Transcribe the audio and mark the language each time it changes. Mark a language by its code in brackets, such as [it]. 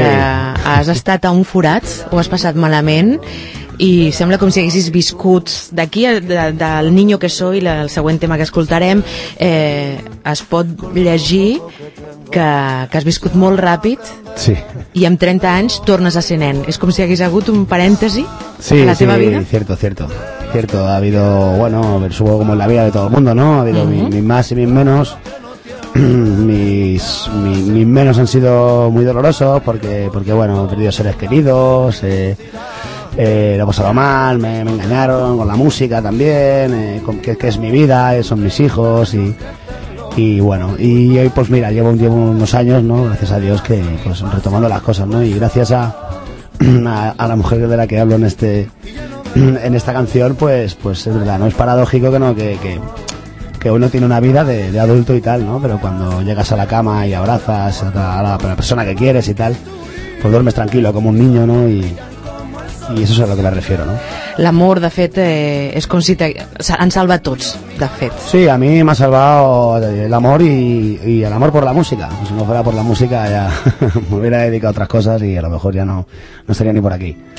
[ca] Que has estat a un forat, ho has passat malament, i sembla com si haguessis viscut. D'aquí, del Niño que soy, el següent tema que escoltarem, es pot llegir que has viscut molt ràpid. Sí. I amb 30 anys tornes a ser nen. És com si hagués hagut un parèntesi. Sí, en la teva vida. [es] Sí, cierto. Cierto, ha habido, bueno, supongo como en la vida de todo el mundo, ¿no? Ha habido mis más y mis menos. Mis menos han sido muy dolorosos porque bueno, he perdido seres queridos, lo he pasado mal, me engañaron con la música también, que es mi vida, son mis hijos y bueno, y hoy pues mira, llevo unos años, ¿no? Gracias a Dios que pues retomando las cosas, ¿no? Y gracias a la mujer de la que hablo en esta canción, pues es verdad, ¿no? Es paradójico que no, que uno tiene una vida de adulto y tal, ¿no? Pero cuando llegas a la cama y abrazas a la persona que quieres y tal, pues duermes tranquilo como un niño, ¿no? Y, [ca] i això és a lo que [es] me refiero, [ca] no? L'amor, de fet, és com si ens salva a tots, de fet. Sí, a mi m'ha salvat l'amor i l'amor per la música. Si no fos per la música ja m'hauria dedicat a altres coses i [es] a lo mejor [ca] ja no estaria ni per aquí.